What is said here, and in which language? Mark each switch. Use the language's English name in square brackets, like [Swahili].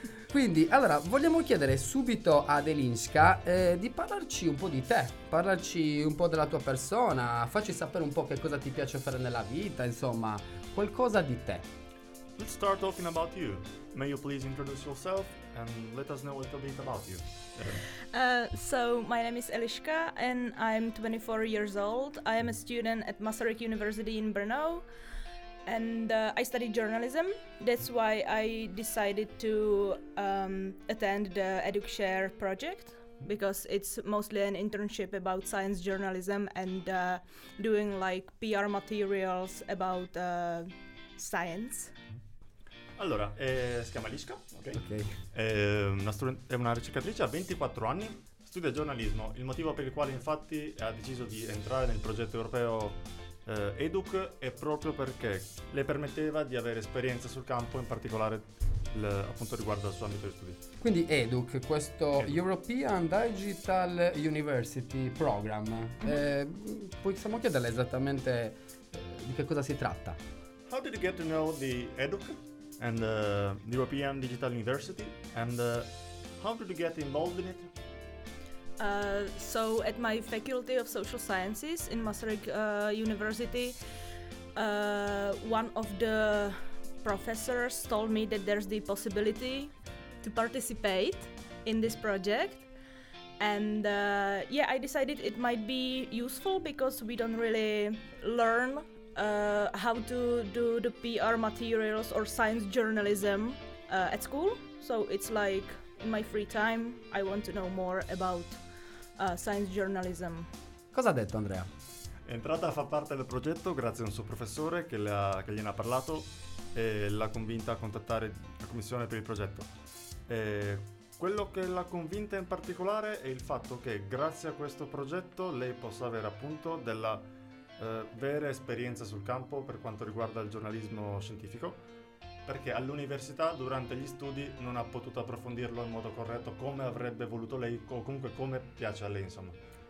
[Italian] Quindi, allora, vogliamo chiedere subito ad Eliška di parlarci un po' di te, parlarci un po' della tua persona, facci sapere un po' che cosa ti piace fare nella vita, insomma, qualcosa di te. [English] Let's start talking about you. May you please introduce yourself and let us know a little bit about you. So, my name is Eliška and I'm 24 years old. I am a student at Masaryk University in Brno. And I studied journalism. That's why I decided to attend the EducShare project, because it's mostly an internship about science journalism and doing like PR materials about science. [Italian] Allora, si chiama Eliška, ok? È una ricercatrice, ha 24 anni, studia giornalismo. Il motivo per il quale infatti ha deciso di entrare nel progetto europeo Educ è proprio perché le permetteva di avere esperienza sul campo, in particolare appunto riguardo al suo ambito di studio. Quindi Educ, questo Educ. European Digital University Program, possiamo chiederle esattamente di che cosa si tratta? [English] How did you get to know the Educ and the European Digital University, and how did you get involved in it? So at my Faculty of Social Sciences in Masaryk University, one of the professors told me that there's the possibility to participate in this project, and yeah, I decided it might be useful because we don't really learn how to do the PR materials or science journalism at school. So it's like in my free time I want to know more about science journalism. [Italian] Cosa ha detto Andrea? È entrata a far parte del progetto grazie a un suo professore che gliene ha parlato e l'ha convinta a contattare la commissione per il progetto. E quello che l'ha convinta in particolare è il fatto che grazie a questo progetto lei possa avere appunto della vera esperienza sul campo per quanto riguarda il giornalismo scientifico, perché all'università durante gli studi non ha potuto approfondirlo in modo corretto come avrebbe voluto lei, o comunque come piace a lei, insomma.